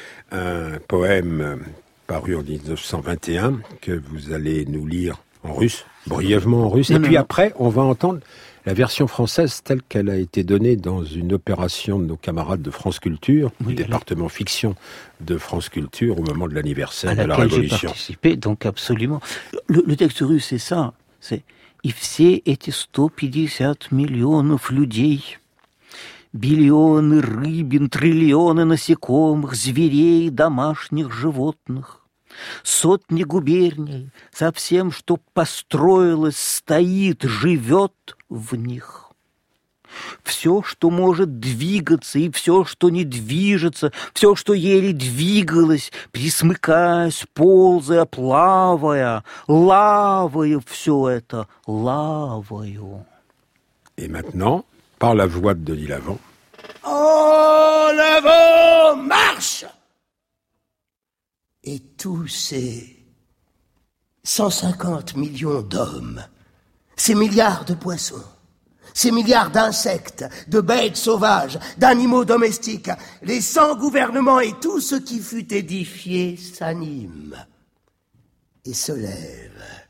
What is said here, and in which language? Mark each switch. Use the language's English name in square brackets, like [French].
[French] Un poème paru en 1921 que vous allez nous lire en russe, brièvement en russe. Non, et non, puis non. Après, on va entendre la version française telle qu'elle a été donnée dans une opération de nos camarades de France Culture, oui, du département fiction de France Culture, au moment de l'anniversaire de la Révolution. À laquelle j'ai participé, donc absolument. Le texte russe, c'est ça. C'est [Russian] « И все эти 150 миллионов людей, миллионы рыбин, триллионы насекомых, зверей, домашних животных, сотни губерний, со всем, что построилось, стоит, живет в них. Все, что может двигаться, и все, что не движется, все, что еле двигалось, присмыкаясь, ползая, плавая, лавою все это, лавою. [French] И maintenant, par la voix de Denis Lavant. En avant, marche! Et tous ces 150 millions d'hommes, ces milliards de poissons, ces milliards d'insectes, de bêtes sauvages, d'animaux domestiques, les 100 gouvernements et tout ce qui fut édifié s'anime et se lève.